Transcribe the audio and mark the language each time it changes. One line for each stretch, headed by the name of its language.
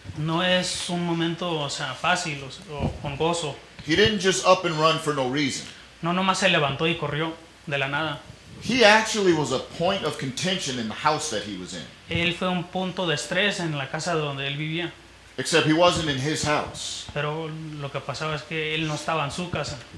Spanish: No es un momento, o sea, fácil o con gozo.
English: He didn't just up and run for no reason.
Spanish: No nomás se levantó y corrió de la nada.
English: He actually was a point of contention in the house that he was in.
Spanish: Él fue un punto de estrés en la casa donde él vivía.
English: Except he wasn't in his house.
Spanish: Pero lo que pasaba es que él no estaba en su casa.